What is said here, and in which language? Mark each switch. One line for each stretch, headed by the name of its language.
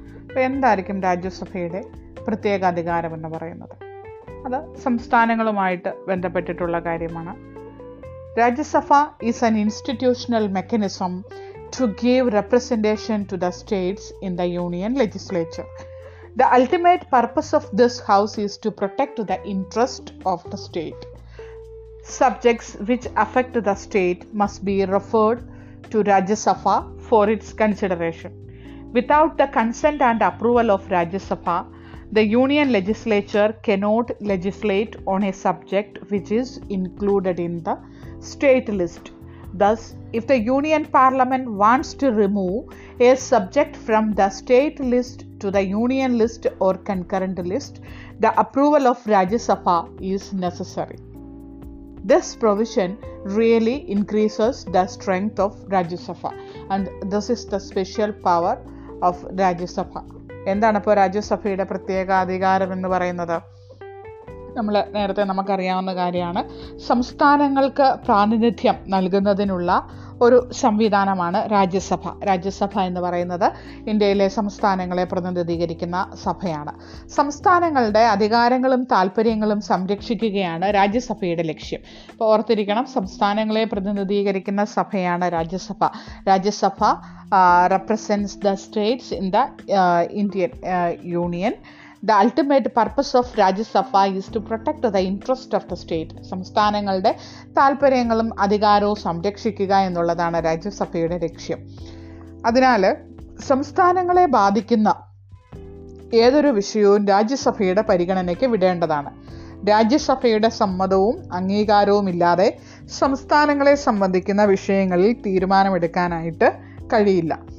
Malayalam: അപ്പോൾ എന്തായിരിക്കും രാജ്യസഭയുടെ പ്രത്യേക അധികാരം എന്ന് പറയുന്നത്? അത് സംസ്ഥാനങ്ങളുമായിട്ട് ബന്ധപ്പെട്ടിട്ടുള്ള കാര്യമാണ്.
English: Rajya Sabha is an institutional mechanism to give representation to the states in the union legislature. The ultimate purpose of this house is to protect the interest of the state. Subjects which affect the state must be referred to Rajya Sabha for its consideration. Without the consent and approval of Rajya Sabha, the union legislature cannot legislate on a subject which is included in the state list. Thus, if the Union Parliament wants to remove a subject from the state list to the Union list or concurrent list, the approval of Rajya Sabha is necessary. This provision really increases the strength of Rajya Sabha, and this is the special power of Rajya Sabha.
Malayalam: എന്താണ് ഇപ്പോൾ രാജ്യസഭയുടെ പ്രത്യേക അധികാരം എന്ന് പറയുന്നത്? നമ്മൾ നേരത്തെ നമുക്കറിയാവുന്ന കാര്യമാണ്, സംസ്ഥാനങ്ങൾക്ക് പ്രാതിനിധ്യം നൽകുന്നതിനുള്ള ഒരു സംവിധാനമാണ് രാജ്യസഭ. രാജ്യസഭ എന്ന് പറയുന്നത് ഇന്ത്യയിലെ സംസ്ഥാനങ്ങളെ പ്രതിനിധീകരിക്കുന്ന സഭയാണ്. സംസ്ഥാനങ്ങളുടെ അധികാരങ്ങളും താല്പര്യങ്ങളും സംരക്ഷിക്കുകയാണ് രാജ്യസഭയുടെ ലക്ഷ്യം. ഇപ്പോൾ ഓർത്തിരിക്കണം, സംസ്ഥാനങ്ങളെ പ്രതിനിധീകരിക്കുന്ന സഭയാണ് Rajya Sabha.
English: Rajya Sabha represents the States in the Indian union. The ultimate purpose of Rajya Sabha is to protect the interest of the state.
Malayalam: സംസ്ഥാനങ്ങളുടെ താല്പര്യങ്ങളും അധികാരവും സംരക്ഷിക്കുക എന്നുള്ളതാണ് രാജ്യസഭയുടെ ലക്ഷ്യം. അതിനാൽ സംസ്ഥാനങ്ങളെ ബാധിക്കുന്ന ഏതൊരു വിഷയവും രാജ്യസഭയുടെ പരിഗണനയ്ക്ക് വിടേണ്ടതാണ്. രാജ്യസഭയുടെ സമ്മതവും അംഗീകാരവും ഇല്ലാതെ സംസ്ഥാനങ്ങളെ സംബന്ധിക്കുന്ന വിഷയങ്ങളിൽ തീരുമാനമെടുക്കാനായിട്ട് കഴിയില്ല.